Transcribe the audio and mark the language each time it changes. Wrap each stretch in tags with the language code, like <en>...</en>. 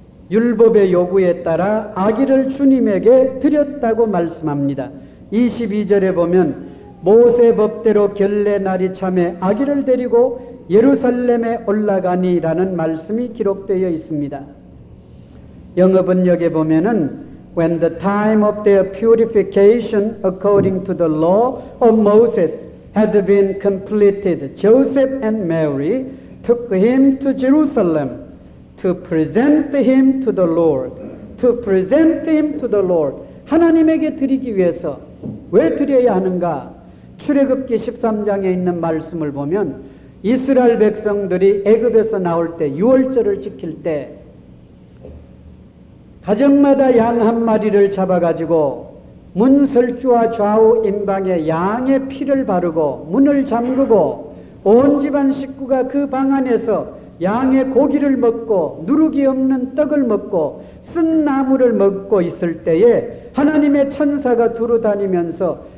<ko>율법의 요구에 따라 아기를 주님에게 드렸다고 말씀합니다. 22절에 보면 모세법대로 결례날이 참에 아기를 데리고 예루살렘에 올라가니 라는 말씀이 기록되어 있습니다. 영어번역에 보면은</ko> <en>When the time of their purification according to the law of Moses had been completed, Joseph and Mary took him to Jerusalem to present him to the Lord. To present him to the Lord.</en> <ko>하나님에게 드리기 위해서 왜 드려야 하는가? 출애굽기 13장에 있는 말씀을 보면 이스라엘 백성들이 애굽에서 나올 때 유월절을 지킬 때 가정마다 양 한 마리를 잡아가지고 문설주와 좌우 임방에 양의 피를 바르고 문을 잠그고 온 집안 식구가 그 방 안에서 양의 고기를 먹고 누룩이 없는 떡을 먹고 쓴 나물을 먹고 있을 때에 하나님의 천사가 두루 다니면서</ko>